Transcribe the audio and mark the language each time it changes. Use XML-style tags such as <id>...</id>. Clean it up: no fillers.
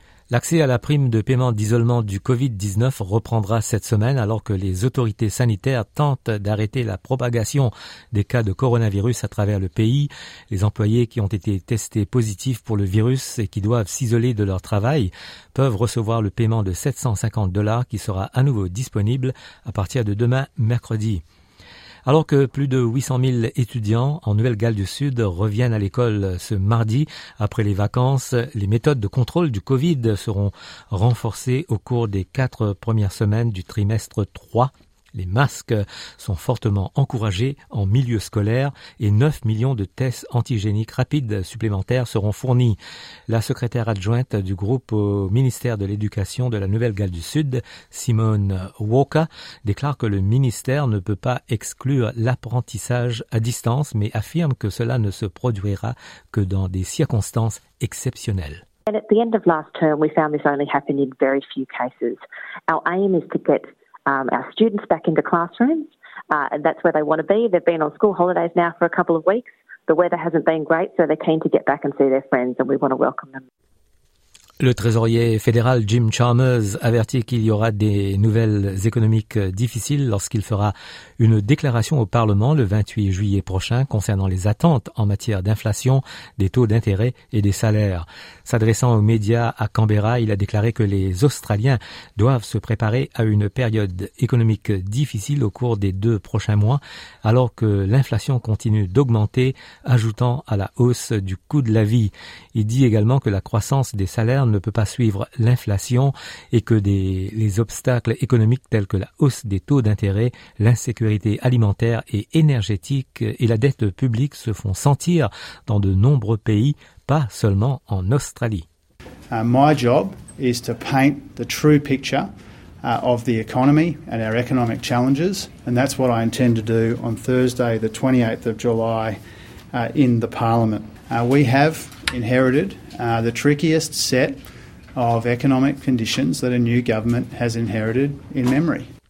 <fr>L'accès à la prime de paiement d'isolement du COVID-19 reprendra cette semaine alors que les autorités sanitaires tentent d'arrêter la propagation des cas de coronavirus à travers le pays. Les employés qui ont été testés positifs pour le virus et qui doivent s'isoler de leur travail peuvent recevoir le paiement de $750 qui sera à nouveau disponible à partir de demain mercredi. Alors que plus de 800 000 étudiants en Nouvelle-Galles du Sud reviennent à l'école ce mardi après les vacances, les méthodes de contrôle du Covid seront renforcées au cours des 4 premières semaines du trimestre 3. Les masques sont fortement encouragés en milieu scolaire et 9 millions de tests antigéniques rapides supplémentaires seront fournis. La secrétaire adjointe du groupe au ministère de l'Éducation de la Nouvelle-Galles du Sud, Simone Walker, déclare que le ministère ne peut pas exclure l'apprentissage à distance, mais affirme que cela ne se produira que dans des circonstances exceptionnelles.</fr> <en>And at the end of last term, we found this only happened in very few cases. Our aim is to get our students back into classrooms, and that's where they want to be. They've been on school holidays now for a couple of weeks. The weather hasn't been great, so they're keen to get back and see their friends, and we want to welcome them.</en> <fr>Le trésorier fédéral Jim Chalmers avertit qu'il y aura des nouvelles économiques difficiles lorsqu'il fera une déclaration au Parlement le 28 juillet prochain concernant les attentes en matière d'inflation, des taux d'intérêt et des salaires. S'adressant aux médias à Canberra, il a déclaré que les Australiens doivent se préparer à une période économique difficile au cours des 2 prochains mois, alors que l'inflation continue d'augmenter, ajoutant à la hausse du coût de la vie. Il dit également que la croissance des salaires ne peut pas suivre l'inflation et que les obstacles économiques tels que la hausse des taux d'intérêt, l'insécurité alimentaire et énergétique et la dette publique se font sentir dans de nombreux pays, pas seulement en Australie.</fr> <en>My job is to paint the true picture of the economy and our economic challenges, and that's what I intend to do on Thursday, the 28th of July, in the Parliament. We have inherited the trickiest set of economic conditions that a new government has inherited in memory.</en>